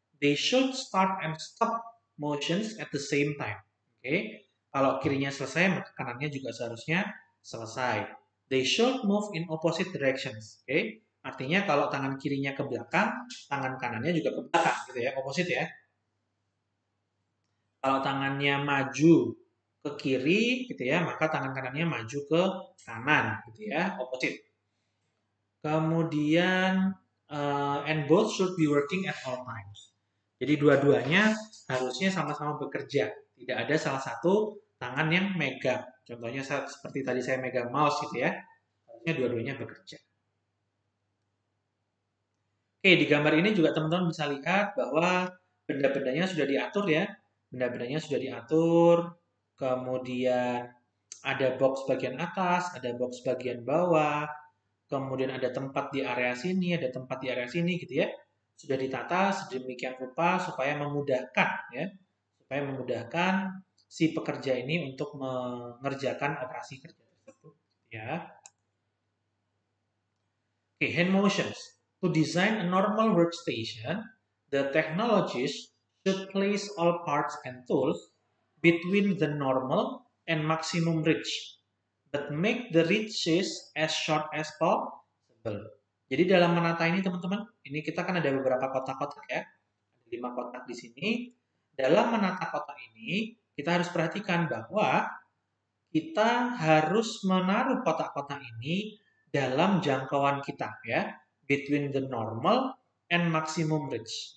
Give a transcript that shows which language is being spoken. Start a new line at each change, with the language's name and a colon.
English: They should start and stop motions at the same time.
Indonesian: Oke. Kalau kirinya selesai, maka kanannya juga seharusnya selesai.
English: They should move in opposite directions.
Indonesian: Oke. Artinya kalau tangan kirinya ke belakang, tangan kanannya juga ke belakang. Gitu ya, opposite ya. Kalau tangannya maju ke kiri, gitu ya, maka tangan kanannya maju ke kanan, gitu ya, opposite. Kemudian,
English: and both should be working at all times.
Indonesian: Jadi dua-duanya harusnya sama-sama bekerja. Tidak ada salah satu tangan yang megang. Contohnya seperti tadi saya megang mouse, gitu ya. Harusnya dua-duanya bekerja. Oke, di gambar ini juga teman-teman bisa lihat bahwa benda-bendanya sudah diatur ya. Benda-bendanya sudah diatur, kemudian ada box bagian atas, ada box bagian bawah, kemudian ada tempat di area sini, ada tempat di area sini, gitu ya. Sudah ditata sedemikian rupa supaya memudahkan, ya, supaya memudahkan si pekerja ini untuk mengerjakan operasi kerja tersebut, ya. Oke, hand motions.
English: To design a normal workstation, the technologist should place all parts and tools between the normal and maximum reach, but make the reaches as short as possible.
Indonesian: Jadi dalam menata ini teman-teman, ini kita kan ada beberapa kotak-kotak ya, ada 5 kotak di sini. Dalam menata kotak ini, kita harus perhatikan bahwa kita harus menaruh kotak-kotak ini dalam jangkauan kita ya,
English: between the normal and maximum reach.